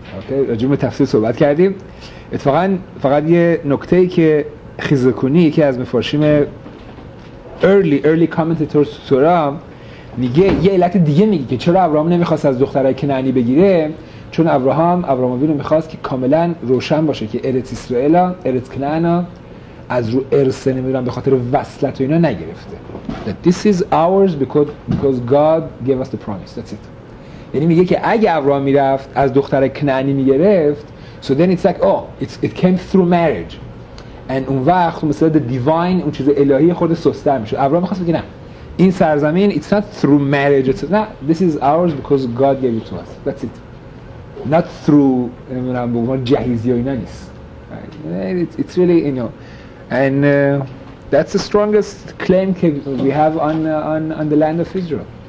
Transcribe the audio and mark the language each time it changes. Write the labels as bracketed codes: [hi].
[fa] اوکی راجعون به تفصیل صحبت کردیم. اتفاقا فقط یه نکته ای که خیزکونی یکی از مفاشیم [en] early commentator [fa] سورا میگه یه علت دیگه میگه که چرا ابراهام نمیخواست از دخترای کنعانی بگیره، چون ابراهام اوینو میخواست که کاملا روشن باشه که ارت اسرائیل ارت کنعان از رو ارث نمیدونم به خاطر وصلت و اینا نگرفته. [en] That this is ours because God gave us the promise. That's it. [fa] یعنی میگه که اگه ابراهام میرفت از دختر کنعانی میگرفت [en] so then it's like it came through marriage and [fa] اون وقت مثلا [en] the divine [fa] اون چیز الهی خود سستر میشه. ابراهام میخواست بگه نه این سرزمین [en] it's not through marriage it's not, this is ours because God gave it to us. That's it. Not through [fa] نمیدونم به عنوان جهیزی و اینا نیست. [en] It's really you know and that's the strongest claim we have on the land of Israel.